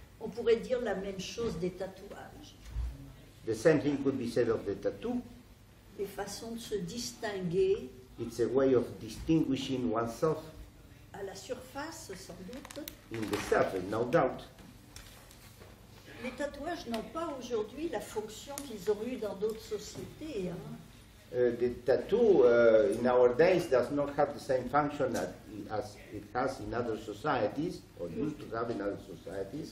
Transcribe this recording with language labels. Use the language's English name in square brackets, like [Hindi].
[French] On pourrait dire la même chose des tatouages. [English] The same thing could be said of the tattoo. [French] Les façons de se distinguer. [English] It's a way of distinguishing oneself. [French] À la surface, sans doute. [English] In the surface, no doubt. [French] Les tatouages n'ont pas aujourd'hui la fonction qu'ils ont eue dans d'autres sociétés. Hein. [English] The tattoo in our days does not have the same function that it has in other societies, or used to have in other societies.